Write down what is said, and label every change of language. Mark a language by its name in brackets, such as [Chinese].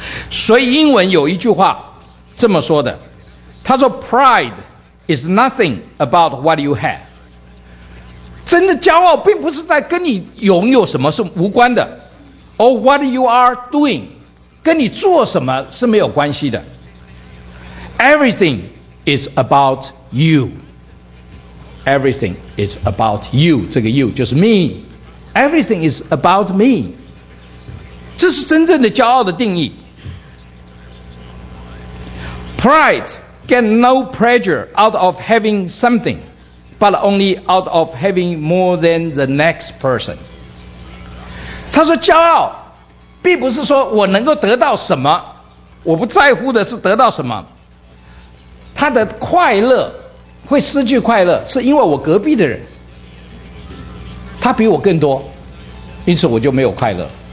[Chinese] 所以英文有一句话这么说的，他说 [English] Pride is nothing about what you have。 [Chinese] 真的骄傲并不是在跟你拥有什么是无关的， [English] or what you are doing， [Chinese] 跟你做什么是没有关系的。 [English] Everything is about you. Everything is about you. [Chinese] 这个 [English] you [Chinese] 就是 [English] me. Everything is about me. [Chinese] 这是真正的骄傲的定义。 [English] Pride get no pleasure out of having something, but only out of having more than the next person. [Chinese] 他说骄傲并不是说我能够得到什么，我不在乎的是得到什么。他的快乐会失去快乐，是因为我隔壁的人他比我更多，因此我就没有快乐。